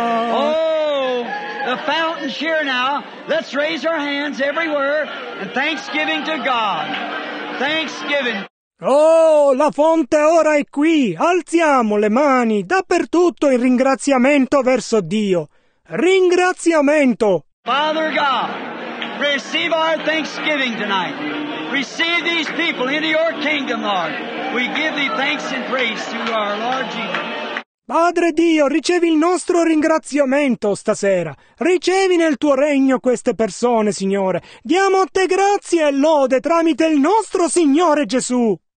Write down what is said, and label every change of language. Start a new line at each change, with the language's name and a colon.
English: Oh, the fountain's here now. Let's raise our hands everywhere and thanksgiving to God. Thanksgiving.
Italian: Oh, la fonte ora è qui. Alziamo le mani dappertutto in ringraziamento verso Dio. Ringraziamento.
English: Father God, receive our thanksgiving tonight. Receive these people into your kingdom, Lord. We give thee thanks and praise through our Lord Jesus.
Italian: Padre Dio, ricevi il nostro ringraziamento stasera. Ricevi nel tuo regno queste persone, Signore. Diamo a te grazie e lode tramite il nostro Signore Gesù.